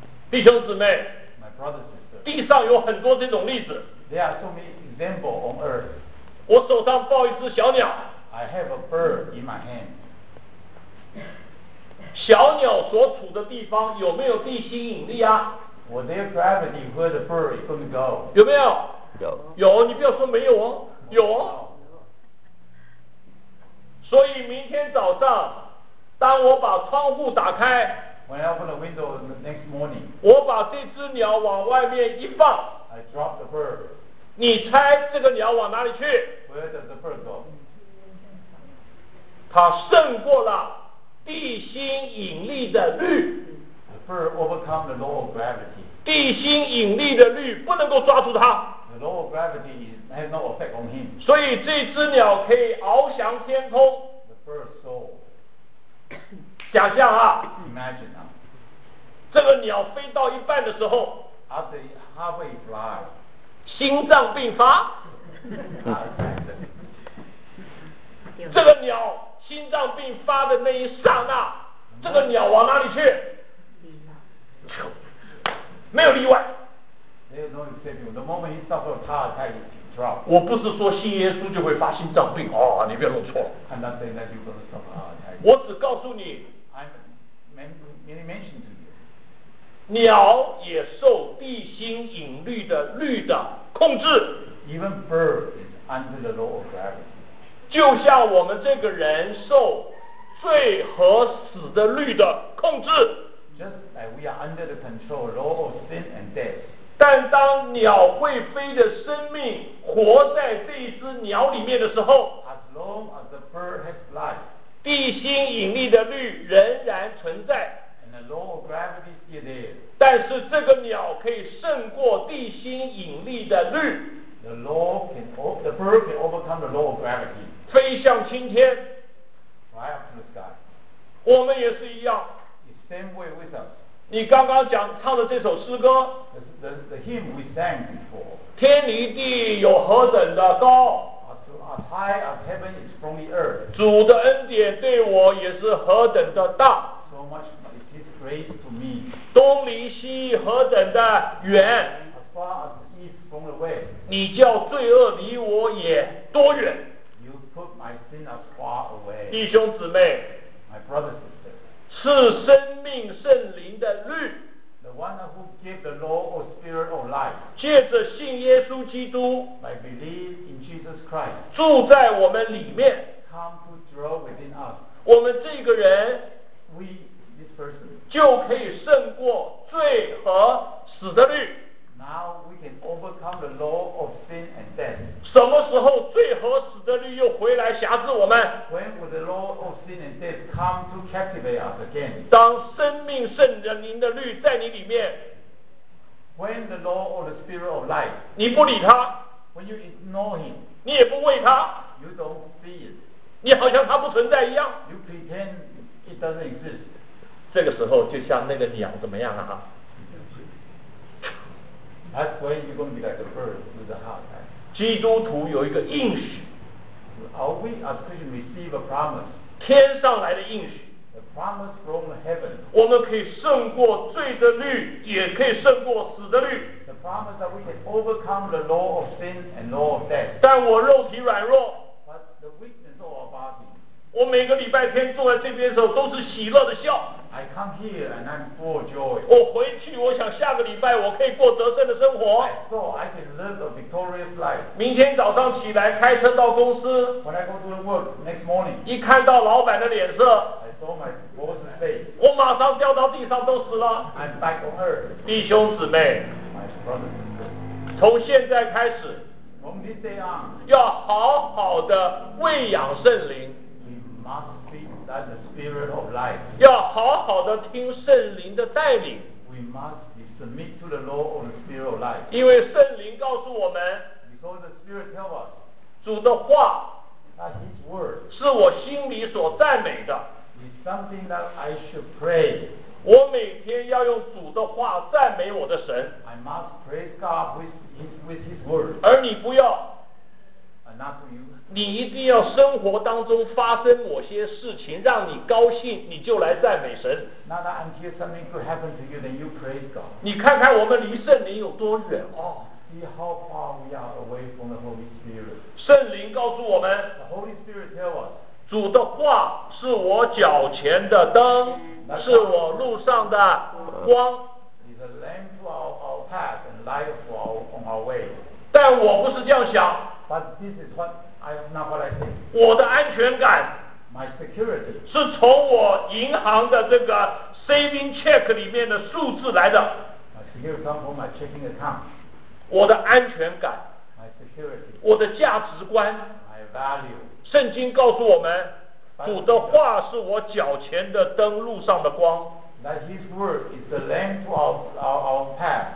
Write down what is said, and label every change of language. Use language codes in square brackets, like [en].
[zh] 弟兄姊妹 [en] ，My brothers and sisters. [zh] 地上有很多这种例子。 [en] There are so many examples on earth. [zh] 我手上抱一只小鸟。 [en] I have a bird in my hand. [zh] 小鸟所处的地方有没有地心引力啊？ [en] Was there gravity where the bird is going to go? [zh] 有没有？有。有，你不要说没有哦，有哦。所以明天早上，当我把窗户打开 [en] ，When I open the window the next morning， [zh] 我把这只鸟往外面一放 [en] ，I drop the bird。 [zh] 你猜这个鸟往哪里去 [en] ？Where does the bird go？ [zh] 它胜过了地心引力的律。 [en] For overcome the law of gravity. [zh] 地心引力的律不能够抓住它。 [en] The law of gravity has no effect on him. [zh] 所以这只鸟可以翱翔天空。 [en] The bird soar. [zh] 想象啊。 [en] Imagine now. [zh] 这个鸟飞到一半的时候。 [en] After halfway fly. [zh] 心脏病发。这个鸟心脏病发的那一刹那，这个鸟往哪里去？没有例外。 [en] No exception. The moment he suffered a heart attack, he dropped. [zh] 我不是说信耶稣就会发心脏病啊、哦，你别弄错了。 [en] I'm not saying that you're going to suffer a heart attack. [zh] 我只告诉你 [en] ，I mentioned to you. [zh] 鸟也受地心引力的律的控制。 [en] Even bird is under the law of gravity. [zh] 就像我们这个人受罪和死的律的控制。 [en] Just like we are under the control law of sin and death. [zh] 但当鸟会飞的生命活在这一只鸟里面的时候 [en] ，As long as the bird has life, [zh] 地心引力的律仍然存在。 [en] And the law of gravity is still there. [zh] 但是这个鸟可以胜过地心引力的律。 [en] The law can the bird can overcome the law of gravity. [zh] 飞向青天。 [en] Fly up to the sky. [zh] 我们也是一样。 [en] The same way with us. [zh] 你刚刚讲唱的这首诗歌。 [en] The hymn we sang before. [zh] 天离地有何等的高？ [en] As high as heaven is from the earth. [zh] 主的恩典对我也是何等的大。 [en] So much is his grace to me. [zh] 东离西何等的远。 [en] As far as east from the west. [zh] 你叫罪恶离我也多远。 [en] You put my sin as far away. [zh] 弟兄姊妹。 [en] My brothers and sisters. [zh] 是生命圣灵的律。 [en] The one who gave the law or spirit of life. [zh] 借着信耶稣基督。 [en] By believing in Jesus Christ. [zh] 住在我们里面。 [en] Come to dwell within us. [zh] 我们这个人。 [en] We, this person. [zh] 就可以胜过罪和死的律。 [en] Now we can overcome the law of sin and death. [zh] 什么时候罪和死的律又回来辖制我们？ [en] When will the law of sin and death come to captivate us again? [zh] 当生命圣灵的律在你里面。 [en] When the law of the spirit of life. [zh] 你不理他。 [en] When you ignore him. [zh] 你也不为他。 [en] You don't see it. [zh] 你好像他不存在一样。 [en] You pretend it doesn't exist. [zh] 这个时候就像那个鸟怎么样啊？ [en] That's when you're going to be like a bird with a heart attack. [zh] 基督徒有一个应许。 [en] Are we as Christians receive a promise? [zh] 天上来的应许。 [en] A promise from heaven. [zh] 我们可以胜过罪的律，也可以胜过死的律。 [en] The promise that we can overcome the law of sin and law of death. [zh] 但我肉体软弱。 [en] But the weakness of our body. [zh] 我每个礼拜天坐在这边的时候都是喜乐的笑。 [en] I come here and I'm full of joy. [zh] 我回去，我想下个礼拜我可以过得胜的生活。 [en] I thought I can live a victorious life. [zh] 明天早上起来开车到公司。 [en] When I go to the work next morning. [zh] 一看到老板的脸色。 [en] I saw my boss's face. [zh] 我马上掉到地上都死了。 [en] I'm back on earth. [zh] 弟兄姊妹。 [en] My brothers and sisters. [zh] 从现在开始。 [en] From this day on. [zh] 要好好的喂养圣灵。 [en] We must feed that the spirit of life. [zh] 要好好的听圣灵的带领。 [en] We must submit to the law of the spirit of life. [zh] 因为圣灵告诉我们。 [en] Because the spirit tells us. [zh] 主的话。 [en] That his word. [zh] 是我心里所赞美的。 [en] Is something that I should pray. [zh] 我每天要用主的话赞美我的神。 [en] I must praise God with his word. [zh] 而你不要。 [en] And not to you. [zh] 你一定要生活当中发生某些事情让你高兴，你就来赞美神。 [en] Not that until something good happens to you, then you praise God. [zh] 你看看我们离圣灵有多远哦。 [en] See how far we are away from the Holy Spirit. [zh] 圣灵告诉我们。 [en] The Holy Spirit tells us. [zh] 主的话是我脚前的灯，是我路上的光。 [en] Is a lamp to our path and light for our on our way. [zh] 但我不是这样想。 [en] But this is what. Not what I think. [zh] 我的安全感 [en] My security. [zh] 是从我银行的这个 [en] saving check [zh] 里面的数字来的 [en] my security comes from my checking account. [zh] 我的安全感 [en] my security. [zh] 我的价值观 [en] my value. [zh] 圣经告诉我们 主的话是我脚前的灯路上的光 [en] that his word is the lamp to our path.